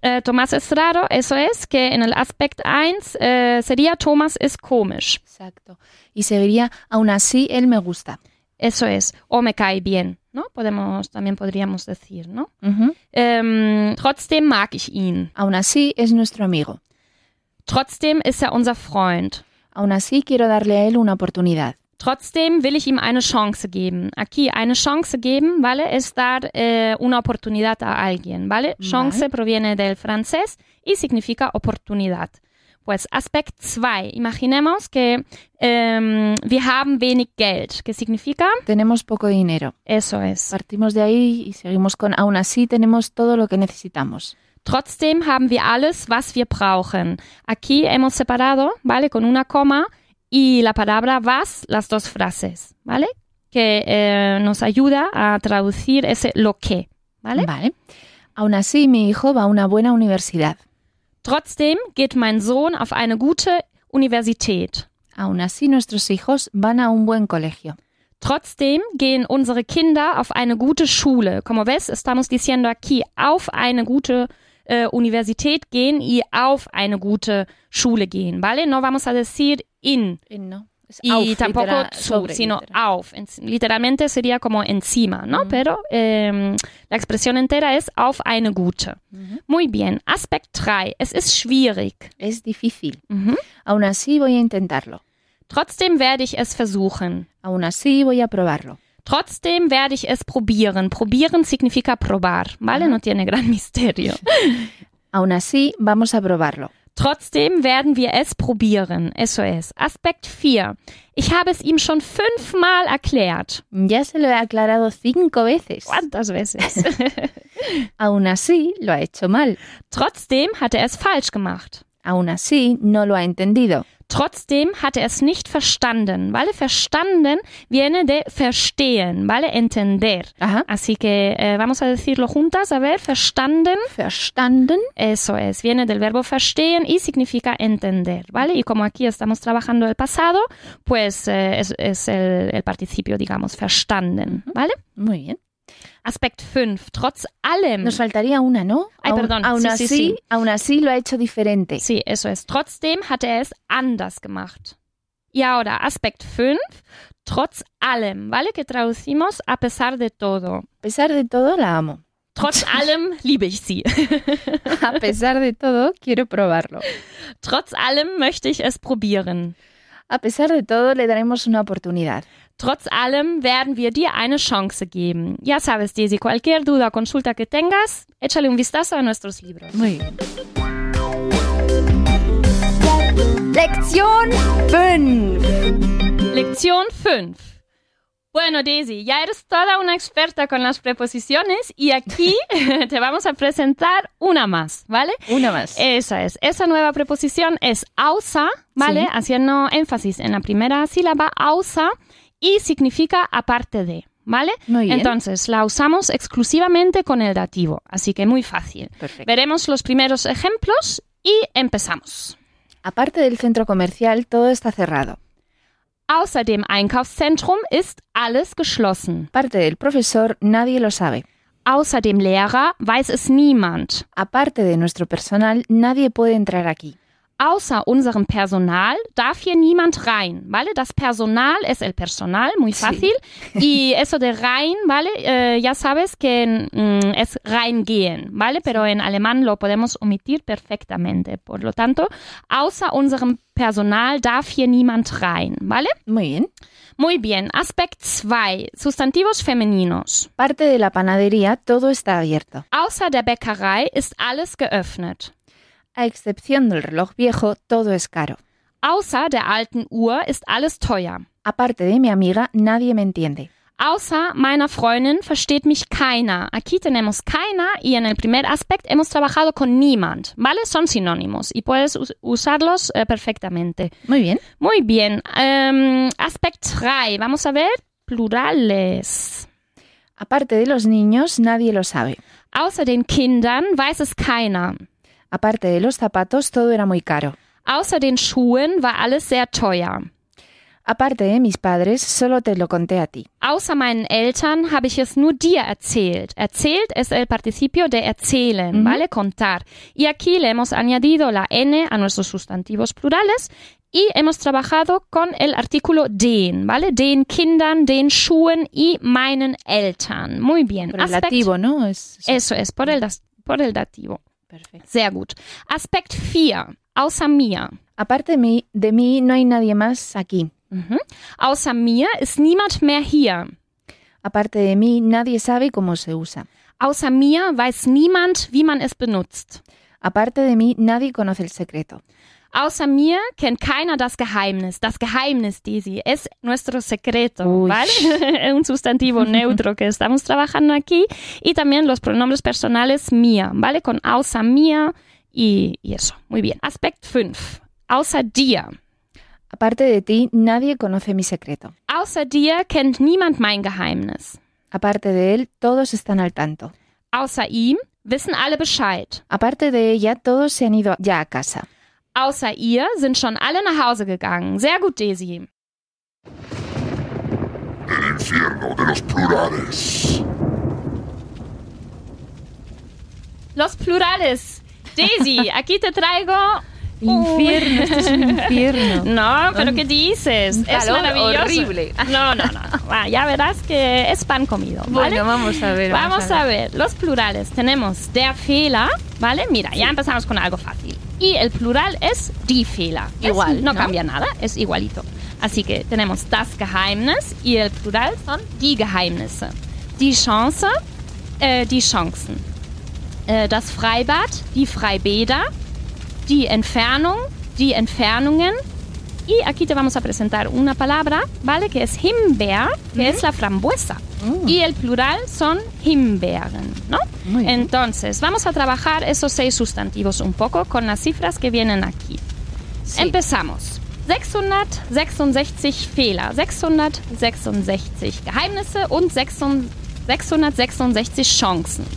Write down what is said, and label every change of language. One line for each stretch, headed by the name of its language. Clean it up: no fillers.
Spanish: Tomás es raro, eso es, que en el aspect 1 sería
German: Tomás es komisch.
Spanish: Exacto. Y sería aún así él me gusta. Eso es, o me cae bien, ¿no? También podríamos decir, ¿no? Uh-huh.
German: Trotzdem mag ich ihn.
Spanish: Aún así es nuestro amigo.
German: Trotzdem ist unser Freund.
Spanish: Aún así quiero darle a él una oportunidad.
German: Trotzdem will ich ihm eine Chance geben. Aquí, eine Chance geben, ¿vale?
Spanish: Es dar una oportunidad a alguien, ¿vale? Chance vale. Proviene del francés y significa oportunidad. Pues, aspect 2. Imaginemos que
German: wir haben wenig Geld.
Spanish: ¿Qué significa? Tenemos poco dinero. Eso es. Partimos de ahí y seguimos con aún así tenemos todo lo que necesitamos.
German: Trotzdem haben wir alles, was wir brauchen.
Spanish: Aquí hemos separado, ¿vale? Con una coma y la palabra was, las dos frases, ¿vale? Que nos ayuda a traducir ese lo que, ¿vale? Vale. Aún así, mi hijo va a una buena universidad.
German: Trotzdem geht mein Sohn auf eine gute Universität.
Spanish: Aún así, nuestros hijos van a un buen colegio.
German: Trotzdem gehen unsere Kinder auf eine gute Schule.
Spanish: Como ves, estamos diciendo aquí,
German: auf eine gute Universität gehen
Spanish: y
German: auf eine gute Schule gehen,
Spanish: ¿vale? No vamos a decir in. In, ¿no? Y auf, tampoco zu, sino literal. Auf. Literalmente sería como encima, ¿no? Mm-hmm. Pero la expresión entera es
German: auf eine gute.
Spanish: Mm-hmm. Muy bien. Aspect 3.
German: Es ist schwierig.
Spanish: Es difícil. Mm-hmm. Aún así voy a intentarlo.
German: Trotzdem werde ich es versuchen.
Spanish: Aún así voy a probarlo.
German: Trotzdem werde ich es probieren.
Spanish: Probieren significa probar, ¿vale? Mm-hmm. No tiene gran misterio. Aún así vamos a probarlo.
German: Trotzdem werden wir es probieren.
Spanish: Eso es.
German: Aspect 4. Ich habe es ihm schon 5-mal erklärt.
Spanish: Ya se lo he aclarado 5 veces. ¿Cuántas veces? Aún así, lo ha hecho mal.
German: Trotzdem hat er es falsch gemacht.
Spanish: Aún así, no lo ha entendido.
German: Trotzdem hat er es nicht verstanden.
Spanish: ¿Vale? Verstanden viene de verstehen, ¿vale? Entender. Ajá. Así que vamos a decirlo juntas, a ver, verstanden.
German: Verstanden.
Spanish: Eso es, viene del verbo verstehen y significa entender, ¿vale? Y como aquí estamos trabajando el pasado, pues es el participio, digamos, verstanden, ¿vale? Muy bien.
German: Aspect 5. Trotz allem.
Spanish: Nos faltaría una, ¿no? Ay, perdón. Aún así lo ha hecho diferente. Sí, eso es.
German: Trotzdem hat er es anders gemacht.
Spanish: Y ahora, Aspect 5.
German: Trotz allem,
Spanish: ¿vale? Que traducimos a pesar de todo. A pesar de todo la amo.
German: Trotz allem liebe ich sie.
Spanish: A pesar de todo, quiero probarlo.
German: Trotz allem möchte ich es probieren.
Spanish: A pesar de todo, le daremos una oportunidad.
German: Trotz allem werden wir dir eine Chance geben.
Spanish: Ya sabes, Daisy, cualquier duda o consulta que tengas, échale un vistazo a nuestros libros. Muy bien. Lección 5. Lección 5. Bueno, Daisy, ya eres toda una experta con las preposiciones y aquí te vamos a presentar una más, ¿vale? Una más. Esa es. Esa nueva preposición es außer, ¿vale? Sí. Haciendo énfasis en la primera sílaba, außer, y significa aparte de, ¿vale? Muy bien. Entonces, la usamos exclusivamente con el dativo, así que muy fácil. Perfecto. Veremos los primeros ejemplos y empezamos. Aparte del centro comercial, todo está cerrado.
German: Außer dem Einkaufszentrum ist alles geschlossen.
Spanish: Aparte del profesor, nadie lo sabe.
German: Außer dem Lehrer weiß es niemand.
Spanish: Aparte de nuestro personal, nadie puede entrar aquí.
German: Außer unserem Personal darf hier niemand rein, ¿vale?
Spanish: Das Personal es el personal, muy fácil. Sí. Y eso de rein, ¿vale? Ya sabes que es reingehen, ¿vale? Pero en alemán lo podemos omitir perfectamente. Por lo tanto,
German: außer unserem Personal darf hier niemand rein, ¿vale?
Spanish: Muy bien. Muy bien. Aspekt 2. Sustantivos femeninos. Parte de la panadería, todo está abierto.
German: Außer der Bäckerei ist alles geöffnet.
Spanish: A excepción del reloj viejo, todo es caro.
German: Außer der alten Uhr ist alles teuer.
Spanish: Aparte de mi amiga, nadie me entiende.
German: Außer meiner Freundin versteht mich keiner.
Spanish: Aquí tenemos keiner y en el primer aspecto hemos trabajado con niemand. ¿Vale? Son sinónimos y puedes usarlos perfectamente. Muy bien. Muy bien. Aspecto 3. Vamos a ver plurales. Aparte de los niños, nadie lo sabe.
German: Außer den Kindern weiß es keiner.
Spanish: Aparte de los zapatos, todo era muy caro.
German: Außer den Schuhen war alles sehr teuer.
Spanish: Aparte de mis padres, solo te lo conté a ti.
German: Außer meinen Eltern habe ich es nur dir erzählt.
Spanish: Erzählt es el participio de erzählen, mhm. ¿Vale? Contar. Y aquí le hemos añadido la N a nuestros sustantivos plurales y hemos trabajado con el artículo den, ¿vale? Den Kindern, den Schuhen y meinen Eltern. Muy bien. Por el dativo, ¿no? Eso es, por el dativo. Perfect.
German: Sehr gut. Aspekt 4. Außer mir.
Spanish: Aparte de mí, no hay nadie más aquí. Mhm.
German: Außer mir ist niemand mehr hier.
Spanish: Aparte de mí, nadie sabe cómo se usa.
German: Außer mir weiß niemand, wie man es benutzt.
Spanish: Aparte de mí, nadie conoce el secreto.
German: Außer mir kennt keiner das Geheimnis.
Spanish: Das Geheimnis, Daisy, es nuestro secreto, Uy. ¿Vale? Un sustantivo neutro que estamos trabajando aquí. Y también los pronombres personales mía, ¿vale? Con
German: außer mir
Spanish: y eso. Muy bien. Aspekt 5.
German: Außer dir.
Spanish: Aparte de ti, nadie conoce mi secreto.
German: Außer dir kennt niemand mein Geheimnis.
Spanish: Aparte de él, todos están al tanto.
German: Außer ihm wissen alle Bescheid.
Spanish: Aparte de ella, todos se han ido ya a casa.
German: Außer ihr sind schon alle nach Hause gegangen. Sehr gut, Daisy.
Spanish: El infierno de los plurales. Los plurales. Daisy, aquí te traigo... Infierno, esto es un infierno. No, pero ¿qué dices? Un calor es maravilloso. Horrible. No. Va, ya verás que es pan comido, ¿vale? Bueno, vamos a ver. Vamos a ver. Los plurales. Tenemos der Fehler, ¿vale? Mira, sí. Ya empezamos con algo fácil. Y el plural es die Fehler. Igual, ¿no? Cambia nada, es igualito. Así que tenemos das Geheimnis y el plural son die Geheimnisse. Die Chance, die Chancen. Das Freibad, die Freibäder. Die Entfernung, die Entfernungen. Y aquí te vamos a presentar una palabra, ¿vale? Que es Himbeer, que es la frambuesa. Y el plural son Himbeeren, ¿no? Entonces, vamos a trabajar esos 6 sustantivos un poco con las cifras que vienen aquí. Sí. Empezamos.
German: 666 Fehler, 666 Geheimnisse und 666 Chancen.